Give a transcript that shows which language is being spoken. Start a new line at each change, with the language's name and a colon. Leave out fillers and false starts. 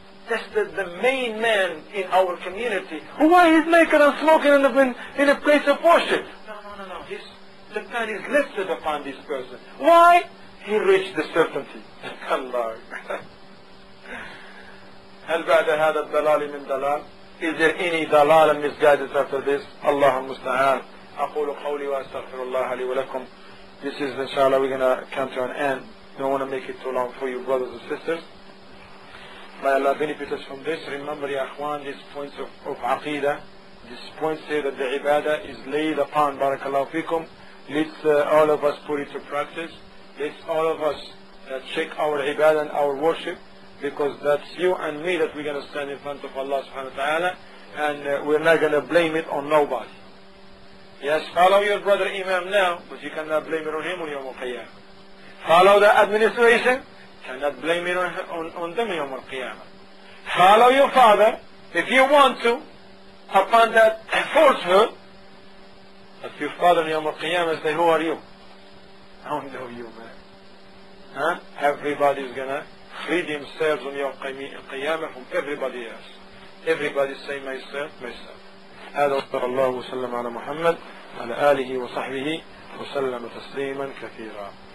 English: That's the main man in our community. Why he's naked and smoking in a place of worship? No. The plan is lifted upon this person. Why? He reached the certainty. Allah.
Arabic: هل بعد هذا الدلال من دلال؟
English: Is there any دلال and misguided after this?
Arabic: اللهم استعان. أقول قولي وأستغفر الله لي ولكم.
English: This is, inshallah, we're going to come to an end. Don't want to make it too long for you, brothers and sisters. May Allah benefit us from this. Remember, Ya Akhwan, these points of Aqeedah, these points say that the Ibadah is laid upon, Barakallahu Fikum. Let's all of us put it to practice. Let's all of us check our Ibadah and our worship, because that's you and me that we're going to stand in front of Allah subhanahu wa ta'ala, and we're not going to blame it on nobody. Yes, follow your brother Imam now, but you cannot blame it on him on Yawm al-Qiyamah. Follow the administration, cannot blame it on them on Yawm al-Qiyamah. Follow your father, if you want to, upon that falsehood. If your father on Yawm al-Qiyamah say, who are you? I don't know you, man. Huh? Everybody's gonna free themselves on Yawm al-Qiyamah from everybody else. Everybody say myself.
Arabic: هذا صلى الله وسلم على محمد على آله وصحبه وسلم تسليما كثيرا.